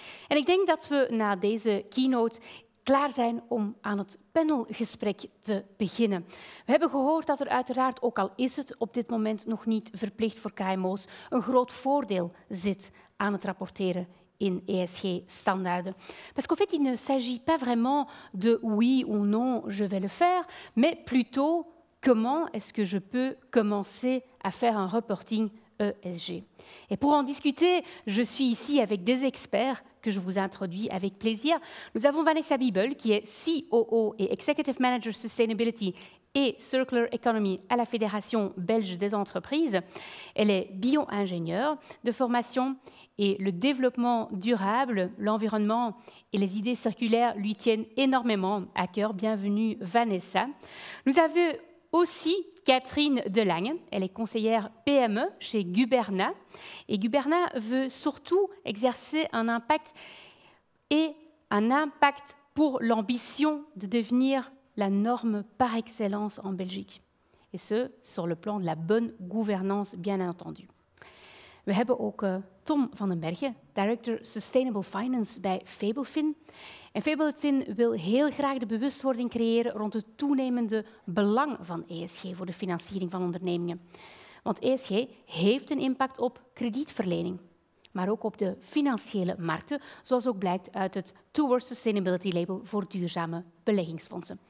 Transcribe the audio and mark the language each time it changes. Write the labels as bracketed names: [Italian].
[Dutch] En ik denk dat we na deze keynote klaar zijn om aan het panelgesprek te beginnen. We hebben gehoord dat er uiteraard, ook al is het op dit moment nog niet verplicht voor KMO's, een groot voordeel zit aan het rapporteren in ESG-standaarden. [French] Parce qu'en fait, il ne s'agit pas vraiment de oui ou non, je vais le faire, mais plutôt comment est-ce que je peux commencer à faire un reporting ESG. Et pour en discuter, je suis ici avec des experts que je vous introduis avec plaisir. Nous avons Vanessa Biebel, qui est COO et Executive Manager Sustainability et Circular Economy à la Fédération Belge des Entreprises. Elle est bio-ingénieure de formation et le développement durable, l'environnement et les idées circulaires lui tiennent énormément à cœur. Bienvenue, Vanessa. Nous avons aussi Catherine Delagne, elle est conseillère PME chez Guberna. Et Guberna veut surtout exercer un impact et un impact pour l'ambition de devenir la norme par excellence en Belgique. Et ce, sur le plan de la bonne gouvernance, bien entendu. [Dutch] We hebben ook Tom van den Berge, Director Sustainable Finance bij Fabelfin. En Fabelfin wil heel graag de bewustwording creëren rond het toenemende belang van ESG voor de financiering van ondernemingen. Want ESG heeft een impact op kredietverlening, maar ook op de financiële markten, zoals ook blijkt uit het Towards Sustainability Label voor duurzame beleggingsfondsen.